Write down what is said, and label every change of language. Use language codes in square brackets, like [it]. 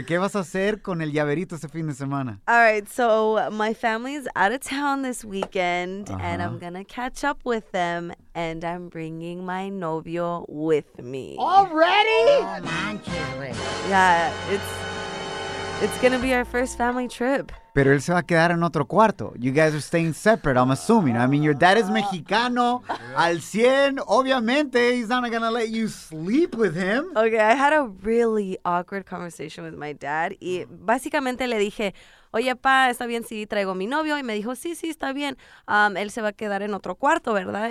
[es] ¿Qué vas a hacer con el llaverito este fin de semana? [en] All right, so my family is out of town this weekend, and I'm going to catch up with them, and I'm bringing my novio with me. Already? Yeah, it's going to be our first family trip. [es] Pero él se va a quedar en otro cuarto. [en] You guys are staying separate, I'm assuming. I mean, your dad is Mexicano. [es] Al 100, obviamente, [en] he's not going to let you sleep with him. Okay, I had a really awkward conversation with my dad. [es] Y básicamente le dije, oye, pa, ¿está bien si traigo a mi novio? Y me dijo, sí, sí, está bien. Él se va a quedar en otro cuarto, ¿verdad?